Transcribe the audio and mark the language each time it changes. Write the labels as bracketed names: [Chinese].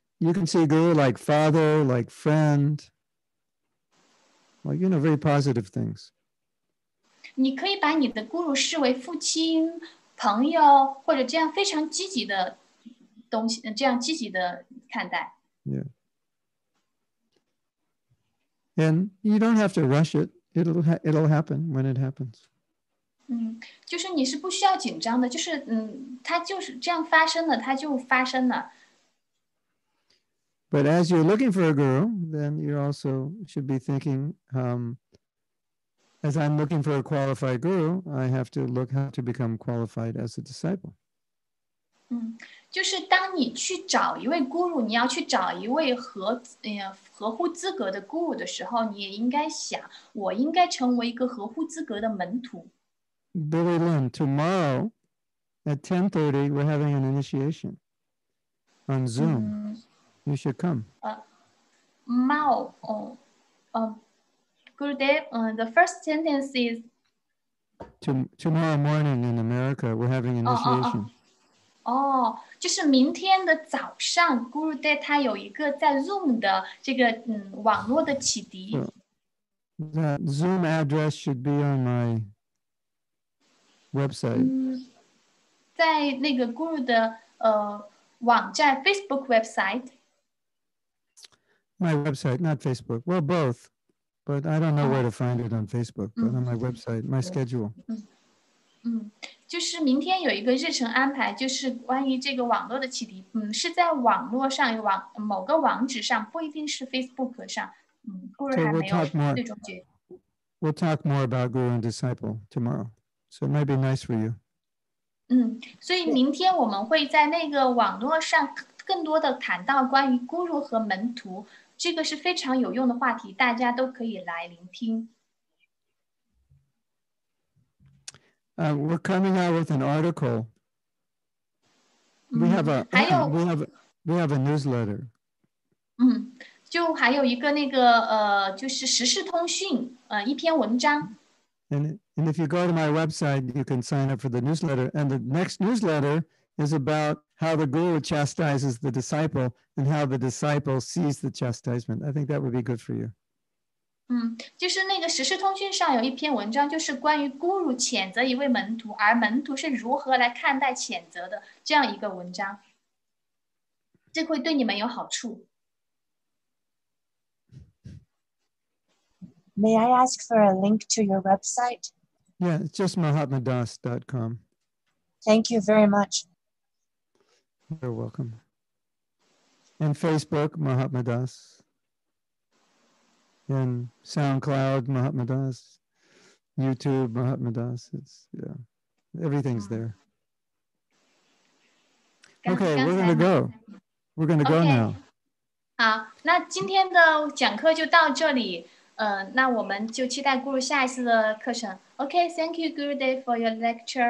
[English] you can see guru like father, like friend, like, you know, very positive things. [Chinese] 你可以把你的guru视为父亲。朋友或者这样非常积极的东西，这样积极的看待。 [English] Yeah. And you don't have to rush it. It'll happen when it happens. [Chinese] 就是你是不需要紧张的，就是它就是这样发生的，它就发生了。 [English] But as you're looking for a guru, then you also should be thinking, as I'm looking for a qualified guru, I have to look how to become qualified as a disciple. [Chinese] 就是当你去找一位 guru, 你要去找一位 合乎资格的 guru 的时候，你也应该想，我应该成为一个合乎资格的门徒。 [English] Billy Lynn, tomorrow at 10:30, we're having an initiation on Zoom. You should come. Mao, good day. The first sentence is... Tomorrow morning in America, we're having initiation. [Chinese] Oh, 就是明天的早上 Guru Day 他有一个在 Zoom 的这个网络的启迪。 [English] The Zoom address should be on my website. [Chinese] 在那个 Guru 的网站 Facebook website。 [English] My website, not Facebook. Well, both. But I don't know where to find it on Facebook, but on my website, my schedule. [Chinese] 就是明天有一个日程安排，就是关于这个网络的启迪，是在网络上，某个网址上，不一定是 Facebook 上。 [English] We'll talk more about Guru and Disciple tomorrow. So it might be nice for you. [Chinese] 所以明天我们会在那个网络上更多的谈到关于 Guru 和门徒。这个是非常有用的话题，大家都可以来聆听。 [English] We're coming out with an article. We have a newsletter. [Chinese] 就还有一个那个就是时事通讯一篇文章。 [English] And if you go to my website, you can sign up for the newsletter. And the next newsletter is about how the guru chastises the disciple and how the disciple sees the chastisement. I think that would be good for you. [Chinese] 就是那个时事通讯上有一篇文章，就是关于孤儒谴责一位门徒，而门徒是如何来看待谴责的这样一个文章。这会对你们有好处。 [English] May I ask for a link to your website? Yeah, it's just mahatmadas.com. Thank you very much. You're welcome. And Facebook, Mahatma Das. And SoundCloud, Mahatma Das. YouTube, Mahatma Das. It's, yeah, everything's there. Okay, we're going to go. We're going to go now. [Chinese] 好，那今天的讲课就到这里。那我们就期待Guru下一次的课程。 [English] Okay, thank you, Guru Dev, for your lecture.